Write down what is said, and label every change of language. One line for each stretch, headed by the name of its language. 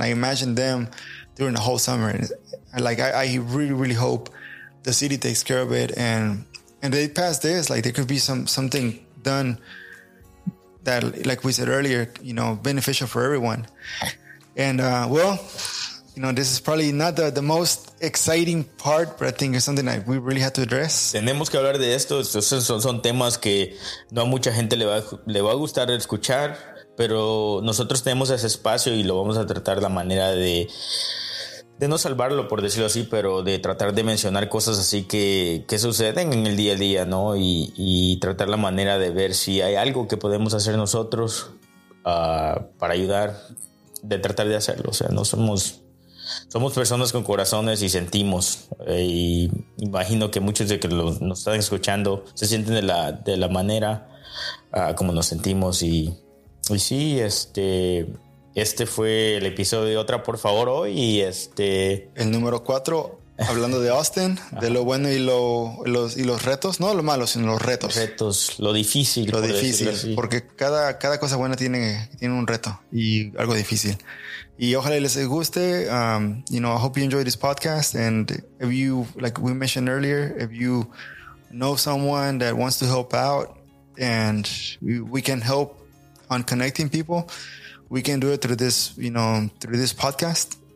English: I imagine them during the whole summer. Like I really, really hope the city takes care of it and they pass this, like there could be something done that, like we said earlier, you know, beneficial for everyone. And well, you know, this is probably not the most exciting part, but I think it's something that we really have to address.
Spanish: Tenemos que hablar de esto. Son temas que no a mucha gente le va a gustar escuchar, pero nosotros tenemos ese espacio y lo vamos a tratar la manera de no salvarlo, por decirlo así, pero de tratar de mencionar cosas así que suceden en el día a día, ¿no? Y tratar la manera de ver si hay algo que podemos hacer nosotros para ayudar, de tratar de hacerlo. O sea, no somos personas con corazones y sentimos. Y imagino que muchos de que nos están escuchando se sienten de la manera como nos sentimos. Y sí, este fue el episodio de Otra Por Favor hoy. Y el número 4, hablando de Austin, de lo bueno y los retos. No lo malo, sino los retos. Retos, lo difícil. Lo difícil, porque cada cosa buena tiene un reto y algo difícil. Y ojalá les guste.
English: You know, I hope you enjoy this podcast. And if you, like we mentioned earlier, if you know someone that wants to help out and we can help on connecting people, we can do it through this, you know, through this podcast.